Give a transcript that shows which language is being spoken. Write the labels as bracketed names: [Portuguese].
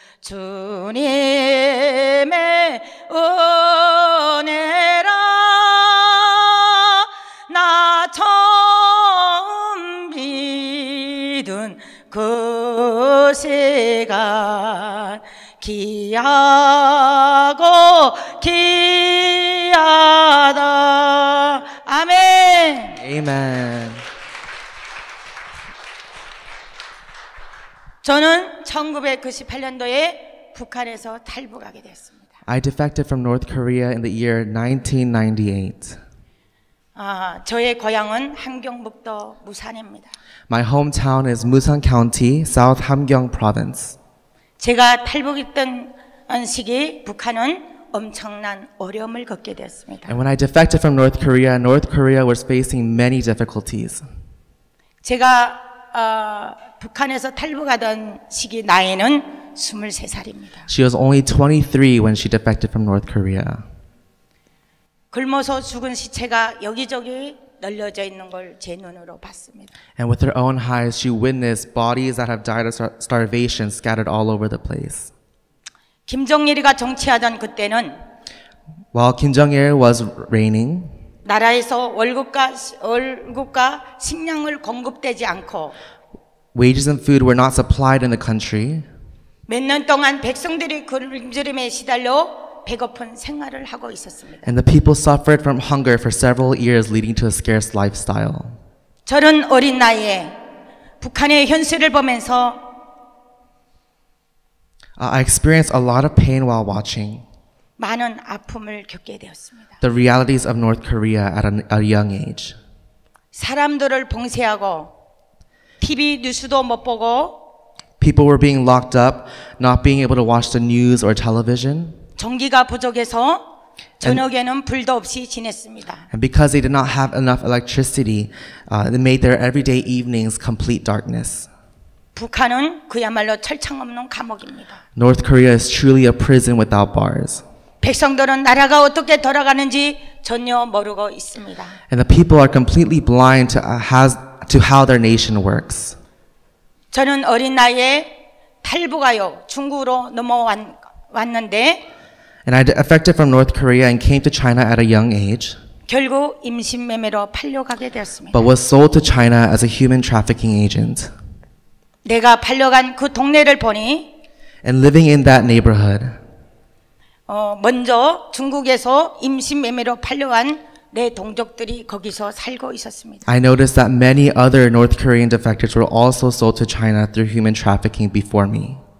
[Korean] 주님의 은혜라 나 처음 믿은 그 시간 귀하고 귀하다 아멘. [English] Amen. [Korean] 저는 1998년도에 북한에서 탈북하게 되었습니다. [English] I defected from North Korea in the year 1998. [Korean] 아, 저의 고향은 함경북도 무산입니다. [English] My hometown is Musan County, South Hamgyong Province. [Korean] 제가 탈북했던 시기 북한은 엄청난 어려움을 겪게 되었습니다. [English] And when I defected from North Korea, North Korea was facing many difficulties. [Korean] 제가 북한에서 탈북하던 시기 나이는 23살입니다. [English] She was only 23 when she defected from North Korea. [Korean] 굶어서 죽은 시체가 여기저기 널려져 있는 걸 제 눈으로 봤습니다. [English] And with her own eyes, she witnessed bodies that have died of starvation scattered all over the place. [Korean] 김정일이가 정치하던 그때는 [English] While Kim Jong-il was reigning [Korean] 나라에서 월급과 식량을 공급되지 않고 [English] Wages and food were not supplied in the country [Korean] 몇 년 동안 백성들이 굶주림에 시달려 배고픈 생활을 하고 있었습니다. [English] And the people suffered from hunger for several years leading to a scarce lifestyle. [Korean] 저는 어린 나이에 북한의 현실을 보면서 [English] I experienced a lot of pain while watching [Korean] 많은 아픔을 겪게 되었습니다. [English] The realities of North Korea at a young age. [Korean] 사람들을 봉쇄하고 TV 뉴스도 못 보고 [English] People were being locked up, not being able to watch the news or television. [Korean] 전기가 부족해서 저녁에는 불도 없이 지냈습니다. [English] And because they did not have enough electricity, they made their everyday evenings complete darkness. [Korean] 북한은 그야말로 철창 없는 감옥입니다. [English] North Korea is truly a prison without bars. [Korean] 백성들은 나라가 어떻게 돌아가는지 전혀 모르고 있습니다. [English] And the people are completely blind to how their nation works. [Korean] 저는 어린 나이에 탈북하여 중국으로 넘어왔는데 [English] And I defected from North Korea and came to China at a young age. [Korean] 결국 임신매매로 팔려가게 되었습니다. [English] But was sold to China as a human trafficking agent. [Korean] 내가 팔려간 그 동네를 보니 [English] And living in that neighborhood [Korean] 먼저 중국에서 임신매매로 팔려간 내 동족들이 거기서 살고 있었습니다. [English] I noticed that many other North Korean defectors were also sold to China through human trafficking before me.